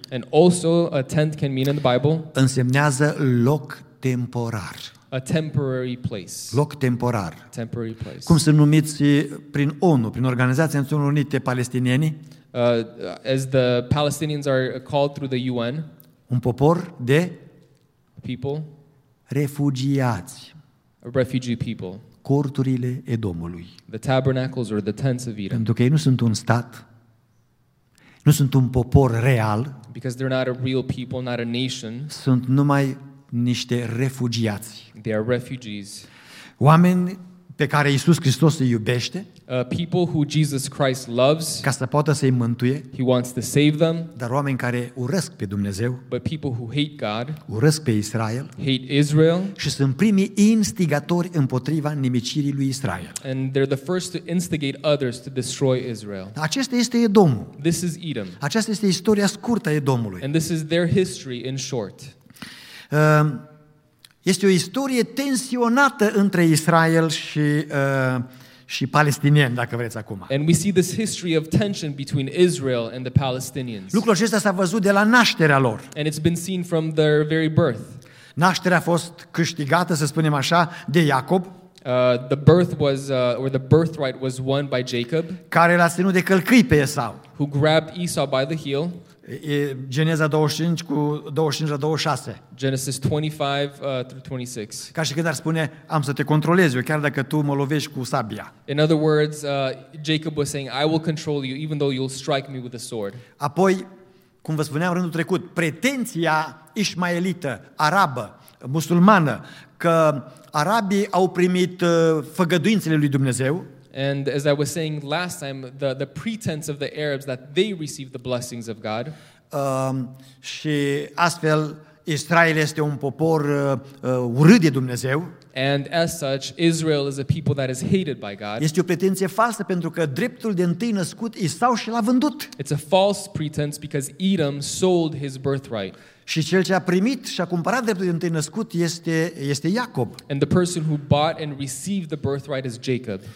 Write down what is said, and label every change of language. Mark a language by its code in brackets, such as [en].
[en] And also a tent can mean in the Bible. [ro] Însemnează loc temporar. [en] A temporary place. [ro] Loc temporar. [en] Temporary place. [ro] Cum sunt numiți prin ONU, prin Organizația Națiunilor Unite Palestinieni? [en] As the Palestinians are called through the UN. [ro] Un popor de [en] people, [ro] refugiați, [en] refugee people, [ro] corturile Edomului, [en] the tabernacles or the tents of Edom. [ro] Pentru că ei nu sunt un stat, nu sunt un popor real, [en] because they're not a real people, not a nation. [ro] Sunt numai niște refugiați. [en] They are refugees. [ro] Oameni pe care Iisus Hristos îi iubește, [en] people who Jesus Christ loves, [ro] ca să poată să-i mântuie, [en] he wants to save them, [ro] dar oameni care urăsc pe Dumnezeu, [en] but people who hate God, [ro] urăsc pe Israel, [en] hate Israel, [ro] și sunt primii instigatori împotriva nimicirii lui Israel. [en] And they're the first to instigate others to destroy Israel. [ro] Acesta este Edomul. [en] This is Edom. [ro] Aceasta este istoria scurtă a Edomului. [en] And this is their history in short. [ro] Este o istorie tensionată între Israel și și palestinieni, dacă vreți acum. [en] And we see this history of tension between Israel and the Palestinians. [ro] Lucrul acesta s-a văzut de la nașterea lor. [en] And it's been seen from their very birth. [ro] Nașterea a fost câștigată, să spunem așa, de Iacob. [en] The birth was or the birthright was won by Jacob. [ro] Care l-a ținut de călcâi pe Esau. [en] Who grabbed Esau by the heel. [ro] Geneza 25 cu 25 la 26. [en] Genesis 25 through 26. [ro] Ca și când ar spune, am să te controlez eu, chiar dacă tu mă lovești cu sabia. [en] In other words, Jacob was saying, I will control you even though you'll strike me with a sword. [ro] Apoi, cum vă spuneam rândul trecut, pretenția ismaelită, arabă, musulmană, că arabii au primit făgăduințele lui Dumnezeu. [en] And as I was saying last time, the pretense of the Arabs that they received the blessings of God. [ro] Și astfel Israel este un popor urât de Dumnezeu. [en] And as such, Israel is a people that is hated by God. [ro] Este o pretenție falsă pentru că dreptul de întâi născut Esau și l-a vândut. [en] It's a false pretense because Edom sold his birthright. [ro] Și cel ce a primit și a cumpărat dreptul de întâi născut este Iacob. [en] And the person who bought and received the birthright is Jacob.